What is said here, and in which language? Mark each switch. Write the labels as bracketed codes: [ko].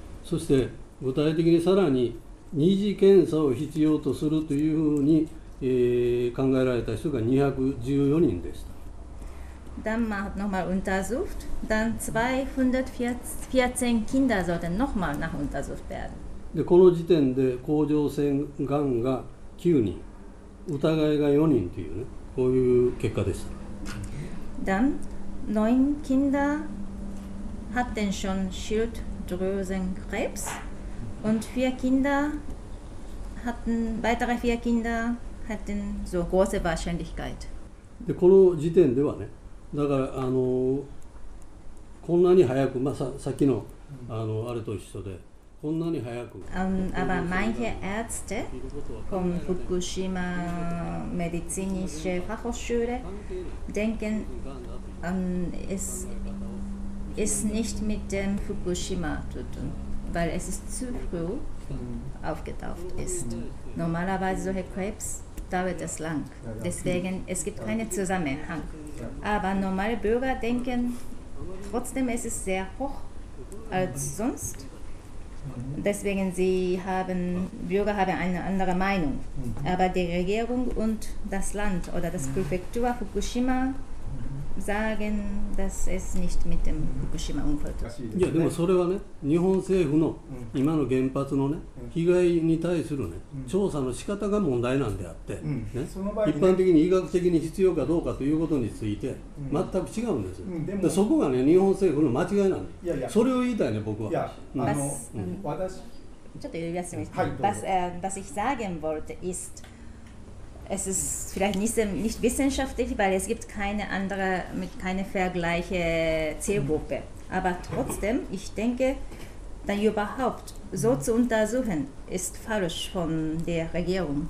[de] Und konkret sollte man noch eine zweite Untersuchung machen, so wie es die Leute erwartet haben, 214 Menschen. Dann man hat nochmal untersucht, dann 214 Kinder sollten nochmal nachuntersucht werden. [ja] で、この時点で甲状腺がんが9人、疑いが4人というね、こういう結果でした。 [de] Dann 9 Kinder hatten schon Schilddrüsenkrebs und 4 Kinder hatten, weitere 4 Kinder hatten so große Wahrscheinlichkeit. [ja] で、この時点ではね、だからこんなに早く、まあ、さっき の, あれと一緒でこんなに早く。 [de] Aber manche Ärzte von Fukushima medizinische Fachhochschule denken, es ist nicht mit dem Fukushima zu tun, weil es ist zu früh aufgetaucht ist. Normalerweise solche Krebs dauert es lang. Deswegen, es gibt keinen Zusammenhang. Aber normale Bürger denken, trotzdem ist es sehr hoch als sonst. Deswegen, Bürger haben eine andere Meinung. Aber die Regierung und das Land oder das Präfektur Fukushima sagen, dass es nicht mit dem Fukushima-Unfall zu tun hat. Ja, aber das ist ja, ne, die [ja] Nihon-Seifu-No-Imano-Genpatz-No-Ne, Higai-Ni-Tai-Suru-Ne-Chou-Sa-No-Shikata-Ga-Mon-Dai-Nan-De-A-T-E, ne, 一般的に医学的に必要かどうかということについて、全く違うんですよ。そこがね、日本政府の間違いなんで、それを言いたいね、僕は。 [de] Was ich sagen wollte ist, es ist vielleicht nicht wissenschaftlich, weil es gibt keine andere, mit keine Vergleiche Zielgruppe. Aber trotzdem, ich denke, dann überhaupt so zu untersuchen, ist falsch von der Regierung.